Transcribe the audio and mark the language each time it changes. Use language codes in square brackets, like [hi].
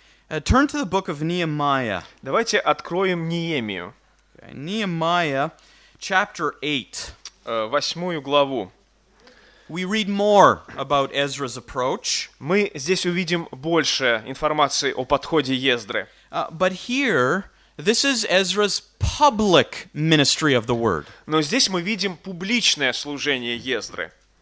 [en] Turn to the book of Nehemiah. [ru] Давайте откроем Неемию. [en] Nehemiah, chapter 8. [ru] Восьмую главу. [en] We read more about Ezra's approach. [ru] Мы здесь увидим больше информации о подходе Ездры. [en] But here... This is Ezra's public ministry of the word. [ru] Но здесь мы видим публичное служение Ездры.